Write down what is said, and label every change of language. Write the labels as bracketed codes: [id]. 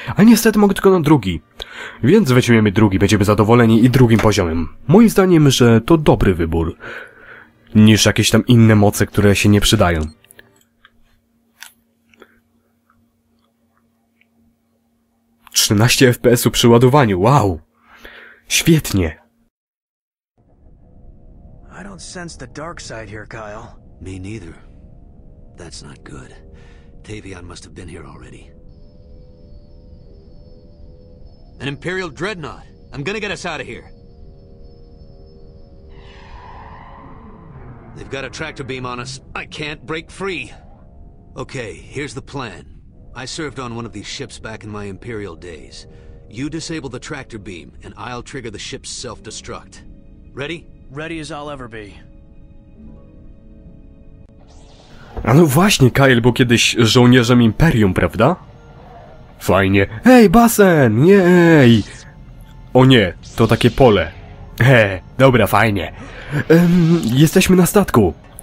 [pl] A niestety mogę tylko na drugi. Więc weźmiemy drugi, będziemy zadowoleni i drugim poziomem. Moim zdaniem, że to dobry wybór. Niż jakieś tam inne moce, które się nie przydają. 13 FPS-u przy ładowaniu, wow! Świetnie! [en] I don't sense the dark side here, Kyle. Me neither. That's not good. Teyvian must have been here already. An Imperial Dreadnought. I'm gonna get us out of here. They've got a tractor beam on us. I can't break free. Okay, here's the plan. I served on one of these ships back in my Imperial days. You disable the tractor beam, and I'll trigger the ship's self-destruct. Ready? Ready as I'll ever be. [pl] A no właśnie, Kyle był kiedyś żołnierzem Imperium, prawda? Fajnie. Hej, basen! Jej! O nie, to takie pole. He, dobra, fajnie. Jesteśmy na statku.